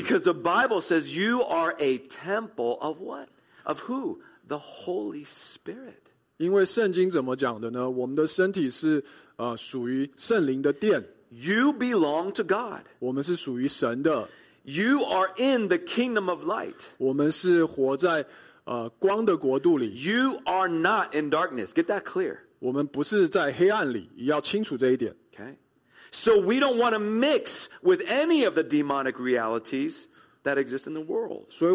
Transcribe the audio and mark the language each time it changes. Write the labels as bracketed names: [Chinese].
[English] Because the Bible says you are a temple of what? Of who? The Holy Spirit. [Chinese] 因为圣经怎么讲的呢? 我们的身体是属于圣灵的殿。 [English] You belong to God. [Chinese] 我们是属于神的。 [English] You are in the kingdom of light. [Chinese] 我们是活在光的国度里。 [English] You are not in darkness. Get that clear. [Chinese] 我们不是在黑暗里, 要清楚这一点。 [English] Okay? So we don't want to mix with any of the demonic realities that exist in the world.